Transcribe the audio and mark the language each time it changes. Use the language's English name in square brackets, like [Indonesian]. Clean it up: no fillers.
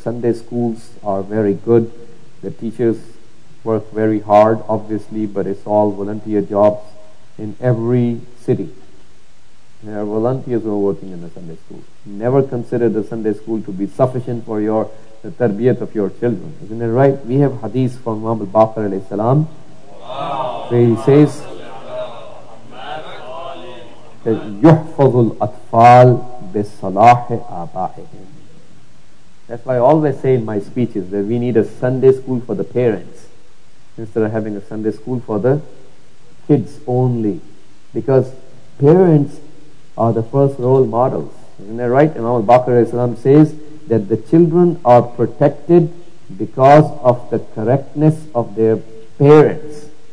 [English] Sunday schools are very good. The teachers work very hard, obviously, but it's all volunteer jobs in every city. There are volunteers who are working in the Sunday school. Never consider the Sunday school to be sufficient for your the tarbiyat of your children. Isn't it right? We have hadith from Imam al-Baqir alayhi salam. Where he says, [Arabic] يُحْفَظُ الْأَطْفَال بِالصَّلَاحِ آبَائِهِمْ. [English] That's why I always say in my speeches that we need a Sunday school for the parents instead of having a Sunday school for the kids only. Because parents are the first role models. Isn't that right? Imam al-Baqir says that the children are protected because of the correctness of their parents.